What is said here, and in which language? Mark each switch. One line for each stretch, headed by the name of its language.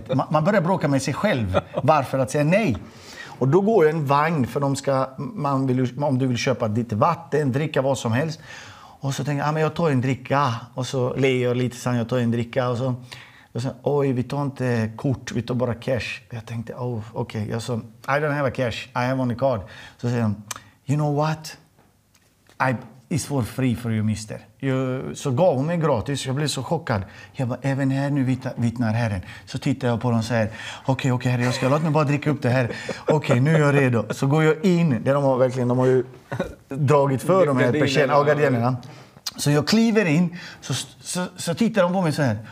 Swedish: Man börjar bråka med sig själv. Varför att säga nej? Och då går en vagn för de ska, man vill, om du vill köpa ditt vatten, dricka vad som helst. Och så tänker jag, men jag tar en dricka. Och så ler jag lite sen, jag tar en dricka och så... Jag sa, oj, vi tar inte kort, vi tar bara cash. Jag tänkte, oh, okej.
English: Okay.
Swedish: Jag sa,
English: I don't have a cash, I have only card.
Swedish: Så säger han,
English: you know what? It's for free for you, mister.
Swedish: Så gav hon mig gratis, jag blev så chockad. Jag bara, även här nu vittnar herren. Så tittar jag på dem så här, okej, herre, jag ska låta mig bara dricka upp det här. Okej, nu är jag redo. Så går jag in, det de har verkligen, de har ju dragit för de här persienna. Så jag kliver in, så tittar de på mig så här.